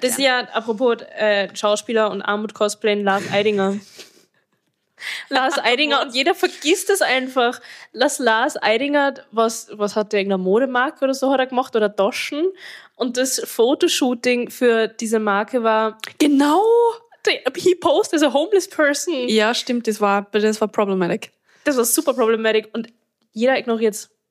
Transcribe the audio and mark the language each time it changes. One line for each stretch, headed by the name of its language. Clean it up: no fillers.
German: Das ist ja, apropos Schauspieler und Armut, Cosplay, Lars Eidinger. Lars Eidinger, und jeder vergisst es einfach. Lars Eidinger, was hat der, irgendeine Modemarke oder so hat er gemacht, oder Doschen. Und das Fotoshooting für diese Marke war... Genau!
English: He posed as a homeless person.
German: Ja, stimmt, das war problematic. Das war super problematic und jeder ignoriert es.